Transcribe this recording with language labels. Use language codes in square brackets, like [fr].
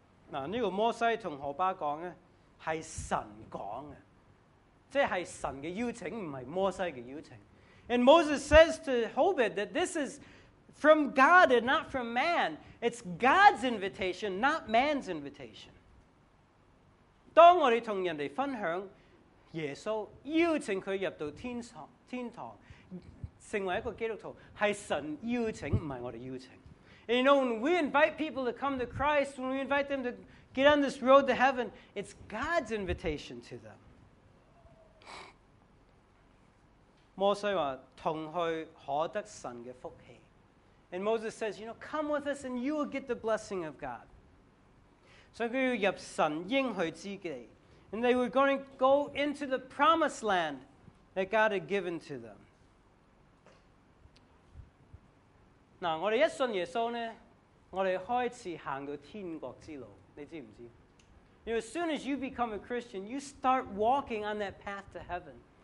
[yue] 嗱，呢個摩西同何巴講咧，係神講嘅，即係神嘅邀請，唔係摩西嘅邀請。 [en] And Moses says to Hobit that this is from God and not from man. It's God's invitation, not man's invitation. [yue] 當我哋同人哋分享耶穌，邀請佢入到天堂，成為一個基督徒，係神邀請，唔係我哋邀請。 [en] And you know, when we invite people to come to Christ, when we invite them to get on this road to heaven, it's God's invitation to them. [yue] 摩西話：同去可得神嘅福氣。 [en] And Moses says, you know, come with us and you will get the blessing of God. [yue] 所以佢要入神應許之地。 [en] And they were going to go into the promised land that God had given to them. [yue] 嗱，我哋一信耶穌咧，我哋開始行到天國之路，你知唔知 [en] ？You know, as soon as you become a Christian, you start walking on that path to heaven.